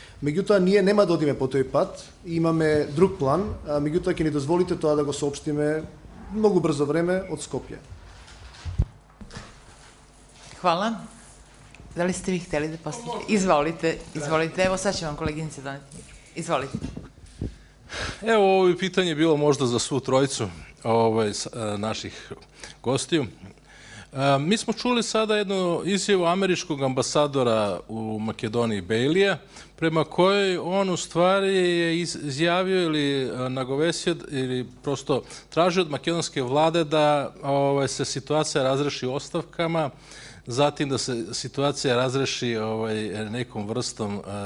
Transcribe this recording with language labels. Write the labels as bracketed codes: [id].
[mk] Меѓутоа, ние нема да одиме по тој пат, имаме друг план, меѓутоа ќе ни дозволите тоа да го соопштиме многу брзо време од Скопје. [sr] Хвала. Дали сте ви хтели да постите? Изволите, изволите. Ево, сад ќе вам колегинице донете. Изволите. Ево, ово и питање било можда за сву тројцу наших гостију. Ми смо чули сада едно изјаву америчког амбасадора у Македонији Бејлија, према кој он у ствари је изјавио или наговесио или просто тражио од македонске владе да се ситуација разреши оставками, затим да се ситуација разреши неком врстом